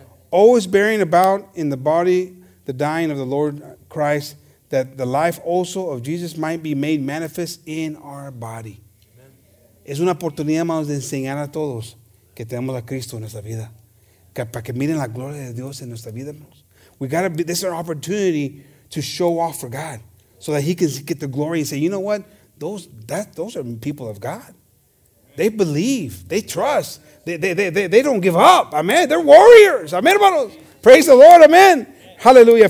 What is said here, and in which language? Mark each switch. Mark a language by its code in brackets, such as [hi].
[en] Always bearing about in the body the dying of the Lord Christ, that the life also of Jesus might be made manifest in our body. [es] Amen. Es una oportunidad, hermanos, de enseñar a todos que tenemos a Cristo en nuestra vida. Para que miren la gloria de Dios en nuestra vida, hermanos. [en] This is our opportunity to show off for God so that He can get the glory and say, you know what? Those are people of God. They believe. They trust. They don't give up. Amen. They're warriors. Amen, hermanos. Praise the Lord. Amen. Hallelujah.